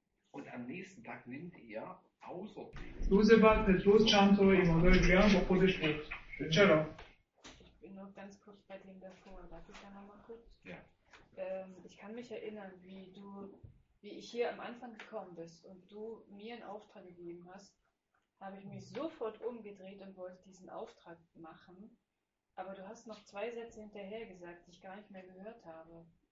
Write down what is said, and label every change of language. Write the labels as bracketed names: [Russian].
[German] Und am nächsten Tag nimmt außer [Persian] روز بعد پتروس چند تا ایماندار دیگه هم با خودش بود. چرا؟ [German] Ganz kurz bei dem davor, darf ich da nochmal kurz? Ja. Ich kann mich erinnern, wie ich hier am Anfang gekommen bist und du mir einen Auftrag gegeben hast, habe ich mich sofort umgedreht und wollte diesen Auftrag machen, aber du hast noch zwei Sätze hinterher gesagt, die ich gar nicht mehr gehört habe.